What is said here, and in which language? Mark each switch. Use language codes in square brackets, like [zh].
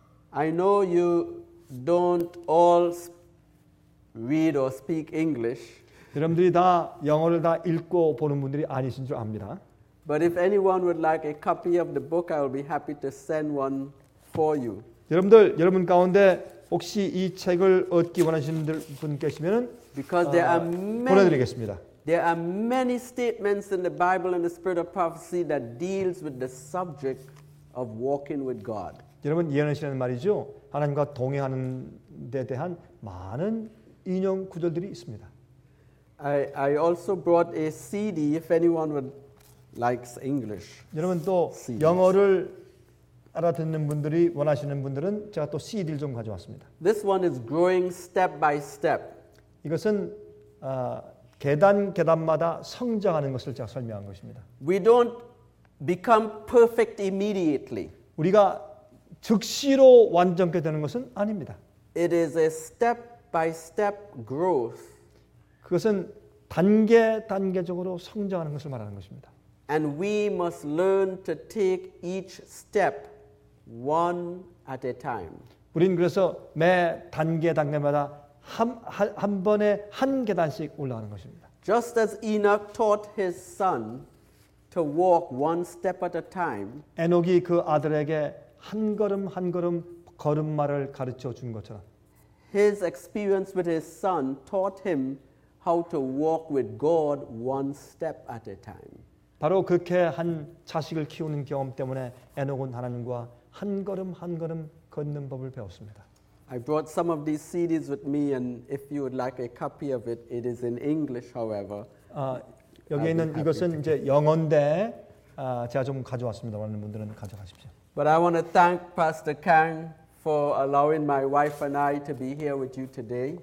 [en] I know you don't all read or speak English. [ko] 여러분들이 다 영어를 다 읽고 보는 분들이 아니신 줄 압니다. [en] But if anyone would like a copy of the book, I will be happy to send one for you. [ko] 여러분들, 여러분 가운데 혹시 이 책을 얻기 원하시는 분 계시면은 보내드리겠습니다. [en] There are many statements in the Bible and the spirit of prophecy that deals with the subject of walking with God. [ko] 여러분 예언하시는 말이죠. 하나님과 동행하는 데 대한 많은 인용 구절들이 있습니다. [en] I also brought a CD if anyone would likes English. [ko] 여러분 또 CDs. 영어를 알아듣는 분들이 원하시는 분들은 제가 또 CD를 좀 가져왔습니다. [en] This one is growing step by step. [ko] 이것은 계단 계단마다 성장하는 것을 제가 설명한 것입니다. [en] We don't become perfect immediately. [ko] 우리가 즉시로 완전케 되는 것은 아닙니다. [en] It is a step by step growth. [ko] 그것은 단계 단계적으로 성장하는 것을 말하는 것입니다. [en] And we must learn to take each step one at a time. [ko] 우린 그래서 매 단계 단계마다 한 번에 한 계단씩 올라가는 것입니다. [en] Just as Enoch taught his son to walk one step at a time. [ko] 에녹이 그 아들에게 한 걸음 한 걸음 걸음마를 가르쳐 준 것처럼. [en] His experience with his son taught him how to walk with God one step at a time. [ko] 바로 그렇게 한 자식을 키우는 경험 때문에 에녹은 하나님과 한 걸음 한 걸음 걷는 법을 배웠습니다. [en] I brought some of these CDs with me, and if you would like a copy of it, it is in English, however. [ko] 여기 있는 이것은 이제 영어인데 제가 좀 가져왔습니다. 많은 분들은 가져가십시오. [en] But I want to thank Pastor Kang for allowing my wife and I to be here with you today.